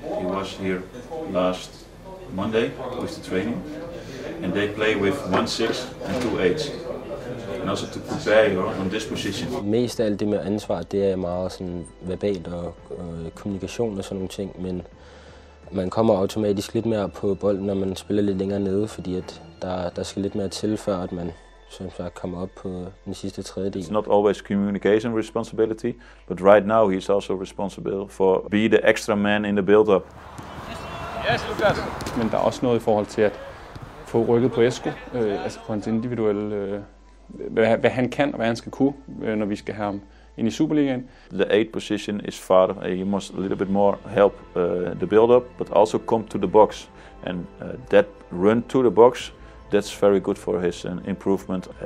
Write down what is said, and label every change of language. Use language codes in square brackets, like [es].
[en] He was here last Monday with the training. And they play with 1-6 and 2-8. And also to prepare you on this position. [da] Mest af alt det med ansvar, det er meget sådan verbalt og kommunikation og sådan nogle ting. Men man kommer automatisk lidt mere på bolden, når man spiller lidt længere nede, fordi at der skal lidt mere til, før at man som sagt kommer op på den sidste tredjedel. [en] It's not always communication responsibility, but right now he's also responsible for be the extra man in the build-up. Yes, Lucas. [da] Men der er også noget i forhold til at få rykket på Esko, altså på hans individuelle, hvad han kan og hvad han skal kunne, når vi skal have ham ind i Superligaen. [en] The 8 position is farther. He must a little bit more help the build-up, but also come to the box. And that run to the box, that's very good for his improvement.